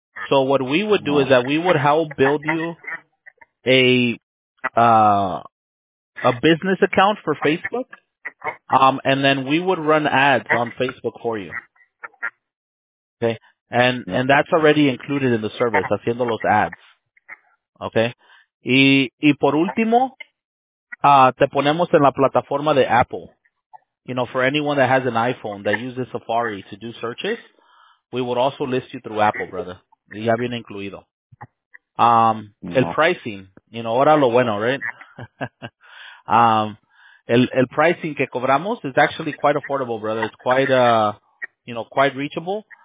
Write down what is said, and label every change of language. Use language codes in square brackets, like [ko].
[en] So what we would do is that we would help build you a business account for Facebook, and then we would run ads on Facebook for you. Okay. And that's already included in the service, [es] haciendo los ads. [en] Okay? [es] Y por último, te ponemos en la plataforma de Apple. [en] You know, for anyone that has an iPhone that uses Safari to do searches, we would also list you through Apple, brother. [es] ya viene incluido. El pricing, you know, ahora lo bueno, right? el pricing que cobramos [en] is actually quite affordable, brother. It's quite, you know, quite reachable.